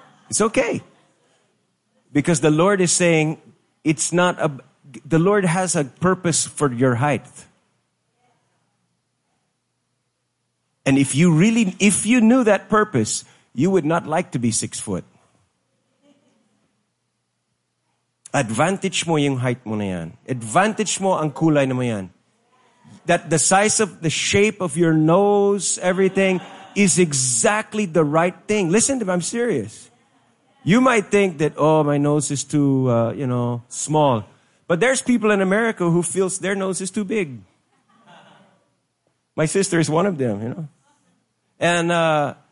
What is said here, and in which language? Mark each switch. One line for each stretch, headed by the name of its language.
English: It's okay. Because the Lord is saying, the Lord has a purpose for your height. And if you knew that purpose, you would not like to be 6 foot.
Filipino: Advantage mo yung height mo na yan. Advantage mo ang kulay na mo yan.
English: That the size of the shape of your nose, everything, is exactly the right thing. Listen to me, I'm serious. You might think that, oh, my nose is too, small. But there's people in America who feels their nose is too big. My sister is one of them, you know.